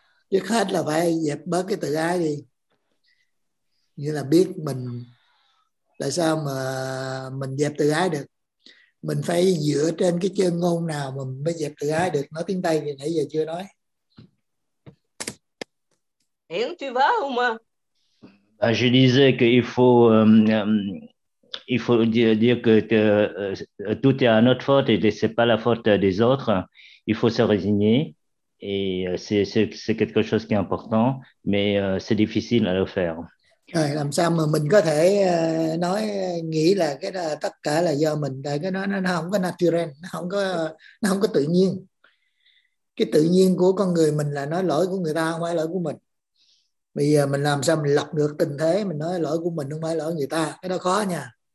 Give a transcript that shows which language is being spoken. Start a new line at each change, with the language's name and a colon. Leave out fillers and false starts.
Vietnamese: Trước hết là phải dẹp bớt cái tự ái đi. Nghĩa là biết mình tại sao mà mình dẹp tự ái được. Mình phải dựa trên cái chân ngôn nào mà mình mới dẹp tự ái được. Nói tiếng Tây thì nãy giờ chưa nói. Hiển tu vớ không à?
French: Je disais qu'il faut dire que tout est à notre faute et c'est pas la faute des autres. Il faut se résigner et c'est quelque chose qui est important, mais c'est difficile à le faire.
Vietnamese: Rồi, làm sao mà mình có thể nói nghĩ là cái là tất cả là do mình, tại cái nó không có natural, nó không có tự nhiên. Cái tự nhiên của con người mình là nói lỗi của người ta không phải lỗi của mình. Bây giờ mình làm sao mình lật được tình thế, mình nói lỗi của mình không phải lỗi người ta, cái đó khó nha.